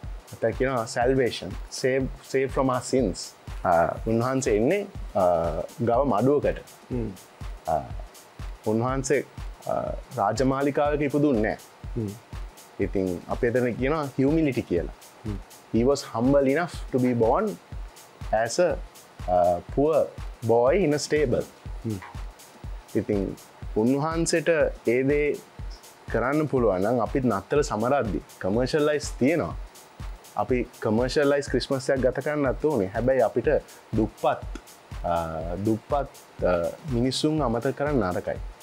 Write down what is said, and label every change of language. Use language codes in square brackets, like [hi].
[si] නැත්නම් කියනවා [en] Salvation save save from our sins. [si] උන්වහන්සේ එන්නේ ගව මඩුවකට. උන්වහන්සේ රාජමාලිකාවක ඉපදුන්නේ නැහැ. ඉතින් අපි එතන කියනවා හියුමිලිටි කියලා. [en] He was humble enough to be born as a poor boy in a stable. [si] ඉතින් උන්වහන්සේට ඒ දේ කරන්න පුළුවන් නම් අපිත් නත්තල සමරද්දි කමර්ෂියලයිස් තියෙනවා. අපි කමර්ෂියලයිස් ක්‍රිස්මස් එකක් ගත කරන්නත් ඕනේ. හැබැයි අපිට දුප්පත් දුප්පත් මිනිසුන් අමතක කරන්න නරකයි.